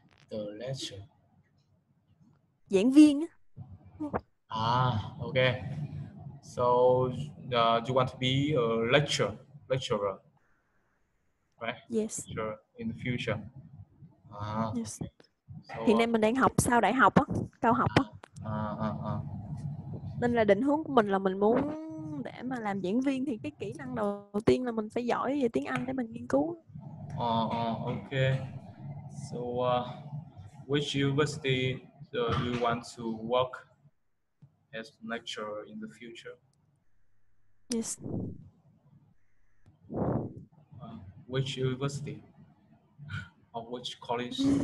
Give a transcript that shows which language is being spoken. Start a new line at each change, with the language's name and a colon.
English: The lecture.
Vietnamese: Giảng viên.
English: Okay. So you want to be a lecturer, right? Yes. Lecturer in the future. Yes.
Vietnamese: So, hiện nay mình đang học sau đại học á, cao học á. Nên là định hướng của mình là mình muốn để mà làm diễn viên thì cái kỹ năng đầu tiên là mình phải giỏi về tiếng Anh để mình nghiên cứu.
English: Okay. So which university do you want to work as lecturer in the future? Yes. Which university or which college?